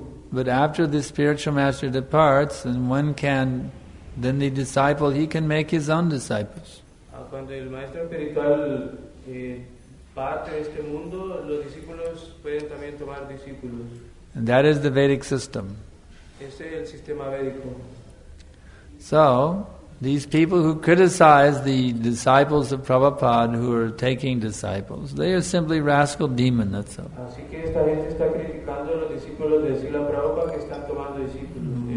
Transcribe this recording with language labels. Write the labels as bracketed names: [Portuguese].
[English] But after the spiritual master departs, then the disciple, he can make his own disciples. [Spanish] Cuando el maestro espiritual parte de este mundo, los discípulos pueden también tomar discípulos. [English] And that is the Vedic system. [Spanish] Ese es el sistema védico. [English] So, these people who criticize the disciples of Prabhupada who are taking disciples, they are simply rascal demon, that's all. [Spanish] Así que esta gente está criticando a los discípulos de Srila Prabhupada que están tomando discípulos.